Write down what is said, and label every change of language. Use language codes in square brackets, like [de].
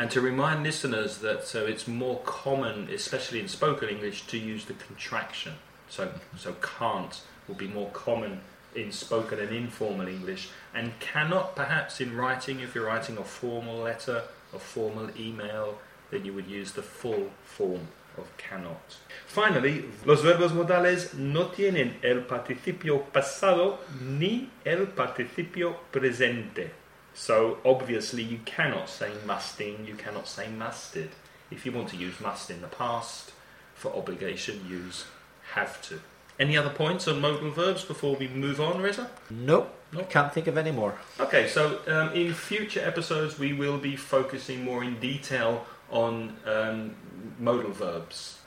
[en] And to remind listeners that it's more common, especially in spoken English, to use the contraction. So can't will be more common in spoken and informal English. And cannot, perhaps, in writing, if you're writing a formal letter, a formal email, then you would use the full form of cannot. Finally, [es] los verbos modales no tienen el participio pasado ni el participio presente. [en] So, obviously, you cannot say musting, you cannot say musted. If you want to use must in the past, for obligation, use have to. Any other points on modal verbs before we move on, Reza? Nope, can't think of any more. Okay, so in future episodes, we will be focusing more in detail on modal verbs.